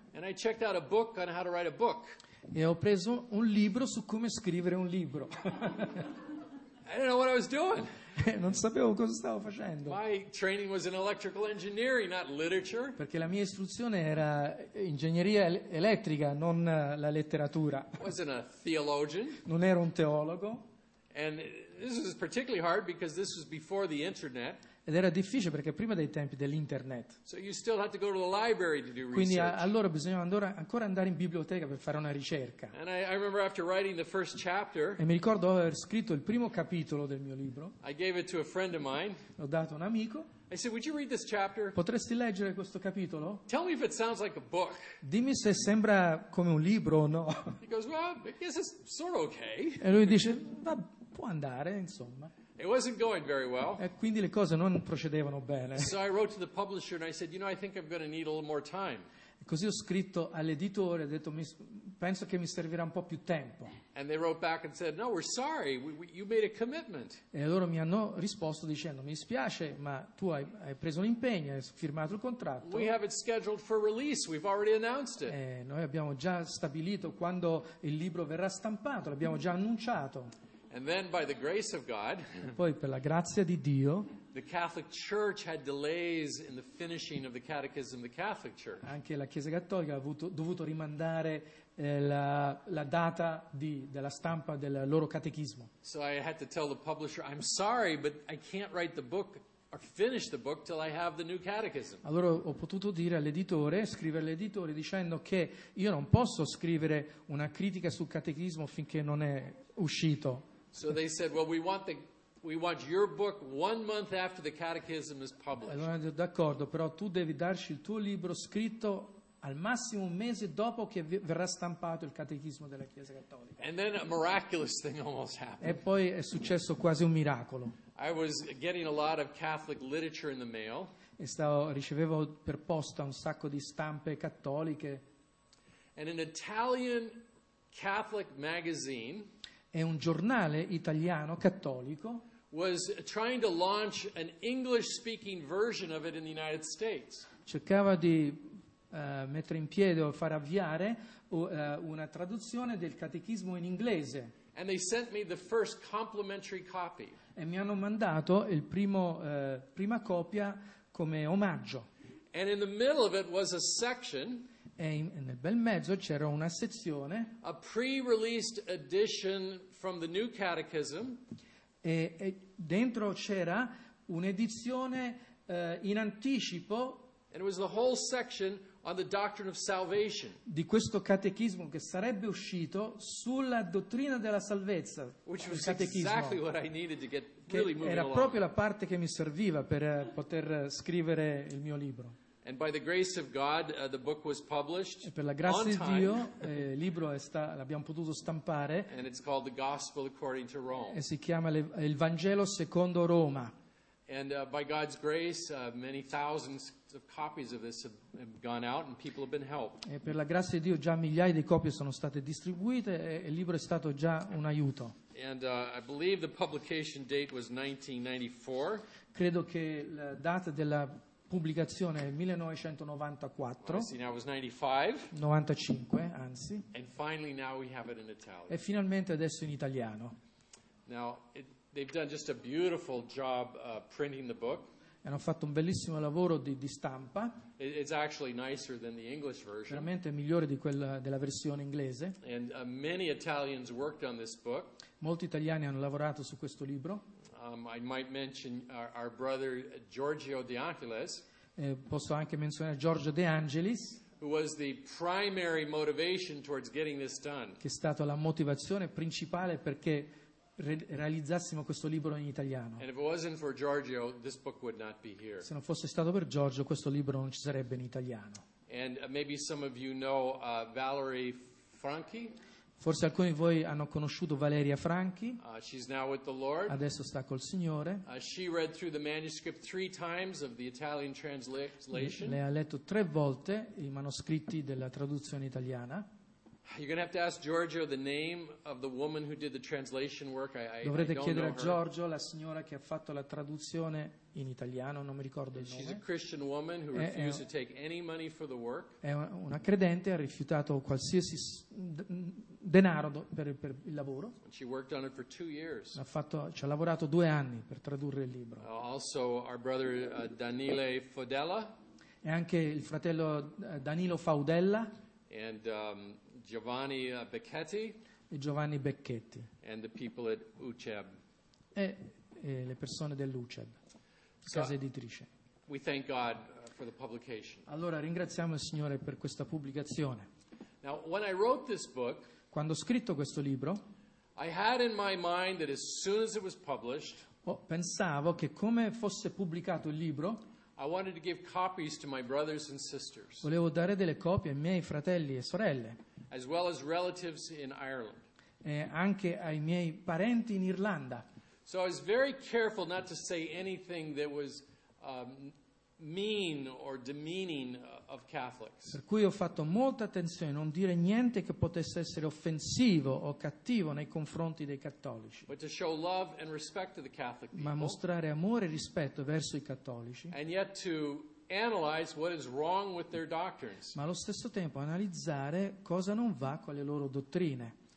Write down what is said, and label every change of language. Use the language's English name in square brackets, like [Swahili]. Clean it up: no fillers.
[English] And I checked out a book on how to write a book. [Italian] E ho preso un libro su come scrivere un libro. [English] I didn't know what I was doing. [Italian] Non sapevo cosa stavo facendo. [English] My training was in electrical engineering, not literature. [Italian] Perché la mia istruzione era ingegneria elettrica, non la letteratura. [English] I wasn't a theologian. [Italian] Non ero un teologo. [English] And this was particularly hard because this was before the internet. [Italian] Ed era difficile perché prima dei tempi dell'internet. [English] So you still had to go to the library to do research. [Italian] Quindi allora bisognava ancora andare in biblioteca per fare una ricerca. [English] And I remember after writing the first chapter. [Italian] E mi ricordo aver scritto il primo capitolo del mio libro. [English] I gave it to a friend of mine. [Italian] L'ho dato a un amico. [English] I said, "Would you read this chapter? [Italian] Potresti leggere questo capitolo? [English] Tell me if it sounds like a book." [Italian] Dimmi se sembra come un libro o no. [English] He goes, "Well, I guess it's sort of okay." [Italian] E lui dice, "Va, può andare, insomma." [English] It wasn't going very well. [Italian] E quindi le cose non procedevano bene. [English] So I wrote to the publisher and I said, "You know, I think I'm going to need a little more time." [Italian] Così ho scritto all'editore, ho detto penso che mi servirà un po' più tempo. [English] And they wrote back and said, no, we're sorry, you made a commitment. [Italian] E loro mi hanno risposto dicendo, mi dispiace, ma tu hai preso un impegno, hai firmato il contratto. [English] We have it scheduled for release, we've already announced it. [Italian] Noi abbiamo già stabilito quando il libro verrà stampato, l'abbiamo già annunciato. [English] And then by the grace of God, [Italian] poi per la grazia di Dio, [English] the Catholic Church had delays in the finishing of the Catechism of the Catholic Church. [Italian] Anche la Chiesa Cattolica ha dovuto rimandare la data della stampa del loro catechismo. [English] So I had to tell the publisher, I'm sorry, but I can't write the book or finish the book till I have the new catechism. [Italian] Allora ho potuto dire all'editore, scrivere all'editore dicendo che io non posso scrivere una critica sul catechismo finché non è uscito. [English] So they said, well, we want your book 1 month after the catechism is published. [Italian] Allora ho detto, d'accordo, però tu devi darci il tuo libro scritto al massimo un mese dopo che verrà stampato il catechismo della Chiesa Cattolica. [English] And then a miraculous thing almost happened. [Italian] E poi è successo quasi un miracolo. [English] I was getting a lot of Catholic literature in the mail. [Italian] E ricevevo per posta un sacco di stampe cattoliche. [English] And an Italian Catholic magazine. [Italian] E un giornale italiano cattolico. [English] Was trying to launch an English-speaking version of it in the United States. [Italian] Cercava di mettere in piedi o far avviare una traduzione del catechismo in inglese. [English] And they sent me the first complimentary copy. [Italian] E mi hanno mandato il primo prima copia come omaggio. [English] And in the middle of it was a section. [Italian] E nel bel mezzo c'era una sezione. [English] A pre-released edition from the new catechism. [Italian] E dentro c'era un'edizione in anticipo. [English] And it was the whole section on the doctrine of salvation. [Italian] Di questo catechismo che sarebbe uscito sulla dottrina della salvezza. [English] Which was exactly what I needed to get really moving along. [Italian] Era proprio la parte che mi serviva per poter scrivere il mio libro. [English] And by the grace of God, the book was published. [Italian] E per la grazia di Dio, il libro l'abbiamo potuto stampare. [English] And it's called The Gospel According to Rome. [Italian] E si chiama il Vangelo secondo Roma. [English] And by God's grace, many thousands of copies of this have gone out, and people have been helped. [Italian] E per la grazia di Dio già migliaia di copie sono state distribuite e il libro è stato già un aiuto. [English] And I believe the publication date was 1994. [Italian] Credo che la data della pubblicazione 1994. [English] Well, now it was 95. [Italian] 95, anzi. [English] And finally now we have it in Italian. [Italian] E finalmente adesso in italiano. [English] Now they've done just a beautiful job printing the book. [Italian] E hanno fatto un bellissimo lavoro di stampa. [English] It's actually nicer than the English version. [Italian] Veramente migliore di quella della versione inglese. [English] And many Italians worked on this book. [Italian] Molti italiani hanno lavorato su questo libro. [English] I might mention our brother Giorgio De Angelis. [Italian] Posso anche menzionare Giorgio De Angelis, [English] who was the primary motivation towards getting this done. [Italian] Che è stata la motivazione principale perché realizzassimo questo libro in italiano. [English] And if it wasn't for Giorgio, this book would not be here. [Italian] Se non fosse stato per Giorgio, questo libro non ci sarebbe in italiano. [English] And maybe some of you know Valerie Franchi. [Italian] Forse alcuni di voi hanno conosciuto Valeria Franchi. [English] She's now with the Lord. [Italian] Adesso sta col Signore. [English] She read through the manuscript three times of the Italian translation. [Italian] Lei ha letto tre volte i manoscritti della traduzione italiana. [English] You're going to have to ask Giorgio the name of the woman who did the translation work. [Italian] Dovrete chiedere a Giorgio, la signora che ha fatto la traduzione in italiano, non mi ricordo il nome. [English] She's a Christian woman who refused to take any money for the work. [Italian] È una credente, ha rifiutato qualsiasi denaro per il lavoro. [English] She worked on it for 2 years. [Italian] Ci ha lavorato 2 anni per tradurre il libro. [English] Also our brother Daniele Fodella. [Italian] E anche il fratello Danilo Faudella. [English] And Giovanni Becchetti. [Italian] E Giovanni Becchetti. [English] And the people at UCEB. [Italian] E le persone dell'UCEB, casa editrice. [English] We thank God for the publication. [Italian] Allora ringraziamo il Signore per questa pubblicazione. [English] Now, when I wrote this book, [Italian] quando ho scritto questo libro, [English] I had in my mind that as soon as it was published, [Italian] pensavo che come fosse pubblicato il libro, [English] I wanted to give copies to my brothers and sisters. [Italian] Volevo dare delle copie ai miei fratelli e sorelle. [English] As well as relatives in Ireland. [Italian] E anche ai miei parenti in Irlanda. [English] So I was very careful not to say anything that was mean or demeaning of Catholics. [Italian] Per cui ho fatto molta attenzione a non dire niente che potesse essere offensivo o cattivo nei confronti dei cattolici. [English] But to show love and respect to the Catholic people. [Italian] Ma mostrare amore e rispetto verso i cattolici. [English] And yet to analyze what is wrong with their doctrines. [Italian] Ma allo stesso tempo analizzare cosa non va con le loro dottrine.